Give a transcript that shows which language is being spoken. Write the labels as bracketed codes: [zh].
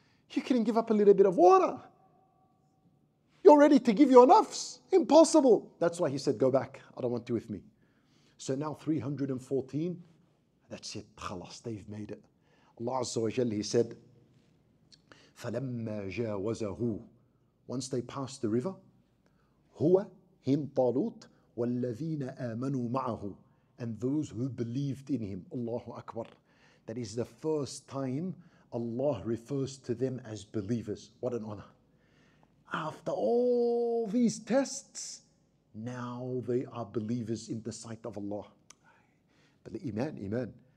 [en] You couldn't give up a little bit of water. You're ready to give your nafs? Impossible. That's why he said, go back. I don't want you with me. So now 314, that's it. Khalas, they've made it. Allah Azza wa Jalla, he said, [ar] فَلَمَّا جَاوَزَهُ. [en] Once they passed the river, [ar] هُوَ هِمْ طَالُوتْ وَالَّذِينَ آمَنُوا مَعَهُ. [en] And those who believed in him. Allahu Akbar. That is the first time Allah refers to them as believers. What an honor. After all these tests, now they are believers in the sight of Allah. But iman.